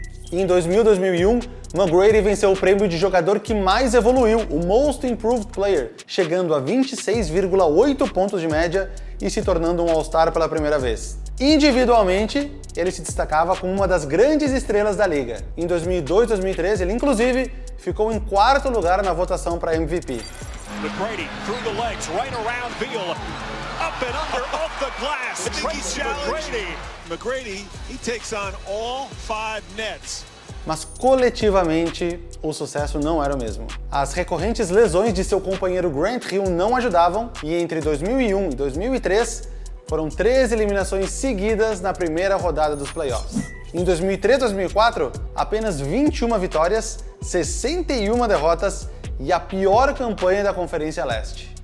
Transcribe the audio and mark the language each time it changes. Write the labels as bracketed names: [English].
[Portuguese] Em 2000-2001, McGrady venceu o prêmio de jogador que mais evoluiu, o Most Improved Player, chegando a 26,8 pontos de média e se tornando um All-Star pela primeira vez. Individualmente, ele se destacava como uma das grandes estrelas da liga. Em 2002-2003, ele inclusive ficou em quarto lugar na votação para MVP. [English] McGrady, through the legs, right around Beal, up and under, off the glass. Tracy's challenge. McGrady, he takes on all 5 nets. [Portuguese] Mas coletivamente, o sucesso não era o mesmo. As recorrentes lesões de seu companheiro Grant Hill não ajudavam e entre 2001 e 2003, foram 3 eliminações seguidas na primeira rodada dos playoffs. Em 2003-2004, apenas 21 vitórias, 61 derrotas e a pior campanha da Conferência Leste.